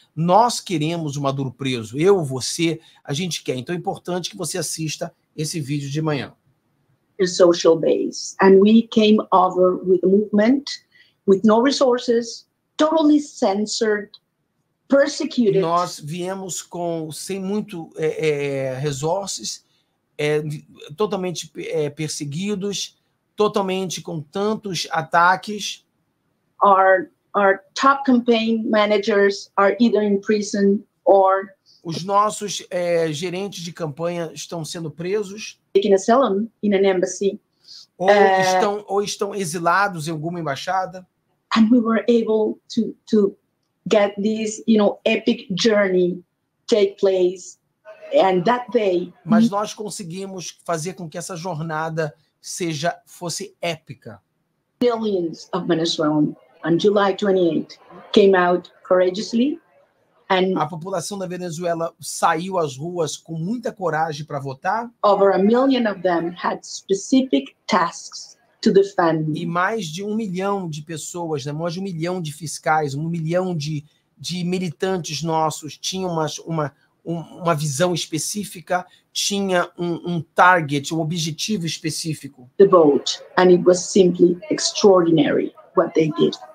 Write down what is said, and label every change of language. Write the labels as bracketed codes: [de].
[pt] Nós queremos o Maduro preso, eu, você, a gente quer. Então é importante que você assista esse vídeo de manhã. [en] Social base. And we came over with a movement, with no resources, totally censored, persecuted. [pt] Nós viemos sem muito resources, totalmente perseguidos, totalmente com tantos ataques. [en] Our top campaign managers are either in prison or [pt] os nossos gerentes de campanha estão sendo presos. [en] Taking asylum in an embassy. [pt] Ou estão exilados em alguma embaixada. [en] And we were able to get this, you know, epic journey take place. And that day. [pt] Mas nós conseguimos fazer com que essa jornada fosse épica. [en] Millions of Venezuelans on July 28 came out courageously. And [pt] a população da Venezuela saiu às ruas com muita coragem para votar. [en] Over a million of them had specific tasks. [pt] E mais de 1 milhão de pessoas, né? Mais de 1 milhão de fiscais, 1 milhão de militantes nossos tinham uma visão específica, tinha um target, um objetivo específico. [en] The vote, and it was simply extraordinary what they did.